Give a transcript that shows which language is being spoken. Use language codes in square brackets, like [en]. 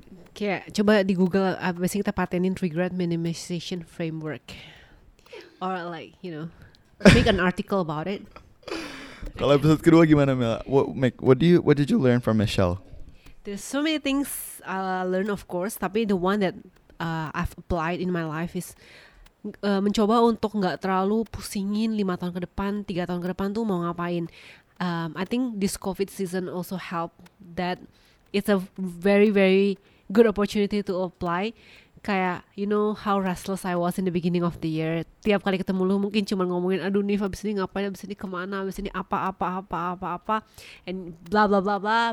[id] Kayak coba di Google, biasanya kita patenin regret minimization framework, [en] or like you know, make an article about it. [id] Kalau episode kedua gimana Mila? [en] What did you learn from Michelle? There's so many things I learn, of course. [id] Tapi [en] the one that I've applied in my life is [id] mencoba untuk nggak terlalu pusingin 5 tahun ke depan, 3 tahun ke depan tuh mau ngapain. [en] I think this COVID season also helped that. It's a very very good opportunity to apply. Kayak, you know how restless I was in the beginning of the year. [id] Tiap kali ketemu lu mungkin cuma ngomongin, aduh Nif, abis ini ngapain, abis ini kemana, abis ini apa-apa-apa-apa-apa, [en] and blah blah blah blah.